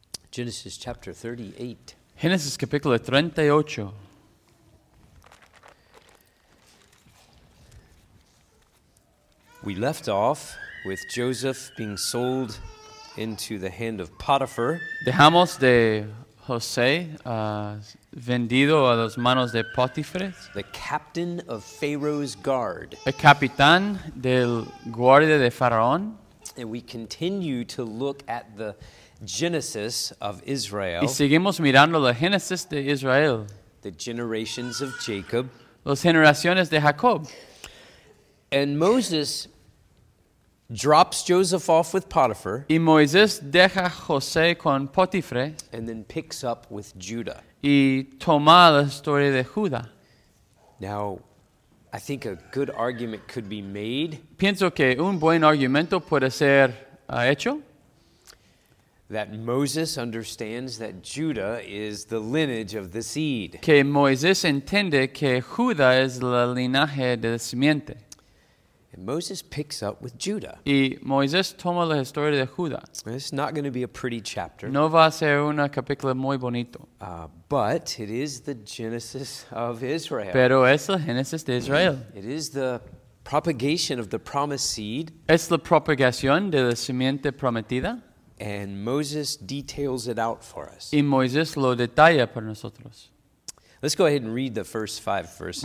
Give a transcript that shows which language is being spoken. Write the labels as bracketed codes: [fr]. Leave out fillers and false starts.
[en] Genesis chapter 38. [es] Genesis capítulo 38. [en] We left off with Joseph being sold into the hand of Potiphar. [es] Dejamos de José vendido a las manos de Potiphar, [en] the captain of Pharaoh's guard. [es] El capitán del guardia de Faraón. [en] And we continue to look at the genesis of Israel. [es] Y seguimos mirando la génesis de Israel. [en] The generations of Jacob. [es] Las generaciones de Jacob. [en] And Moses drops Joseph off with Potiphar. [es] Y Moisés deja José con Potiphar. [en] And then picks up with Judah. [es] Y toma la historia de Judá. [en] Now, I think a good argument could be made. [es] Pienso que un buen argumento puede ser hecho. [en] That Moses understands that Judah is the lineage of the seed. [es] Que Moisés entiende que Judá es la linaje de la simiente. [en] Moses picks up with Judah. [es] Y Moisés toma la historia de Judá. [en] It's not going to be a pretty chapter. [es] No va a ser una capítulo muy bonito. [en] But it is the Genesis of Israel. [es] Pero es la Génesis de Israel. [en] It is the propagation of the promised seed. [es] Es la propagación de la simiente prometida. [en] And Moses details it out for us. [es] Y Moisés lo detalla para nosotros. [en] Let's go ahead and read the first five verses.